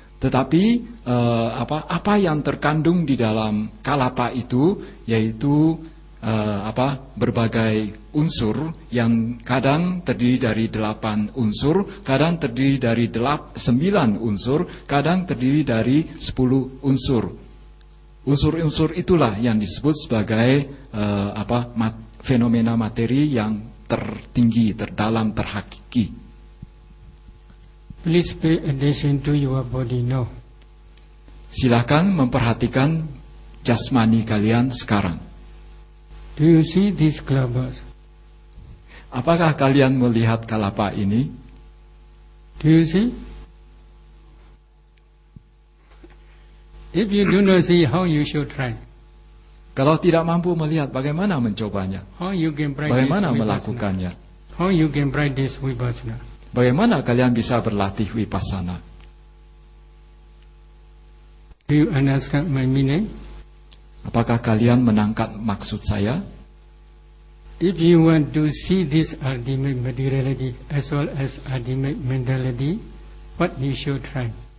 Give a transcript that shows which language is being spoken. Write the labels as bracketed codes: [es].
[id] Tetapi apa yang terkandung di dalam kalapa itu, yaitu berbagai unsur yang kadang terdiri dari 8 unsur, kadang terdiri dari 9 unsur, kadang terdiri dari 10 unsur. Unsur-unsur itulah yang disebut sebagai fenomena materi yang tertinggi, terdalam, terhakiki. [en] Please pay attention to your body now. [id] Silakan memperhatikan jasmani kalian sekarang. [en] Do you see this kalabas? [id] Apakah kalian melihat kalapa ini? [en] Do you see? If you do not see, how you should try? [id] Kalau tidak mampu melihat, bagaimana mencobanya? [en] How you can practice? [id] Bagaimana melakukannya? [en] How you can practice vipassana? [id] Bagaimana kalian bisa berlatih vipassana? [en] Do you understand my meaning? [id] Apakah kalian menangkap maksud saya? [en] If you want to see this ultimate materiality as well as ultimate mentality, what you should try?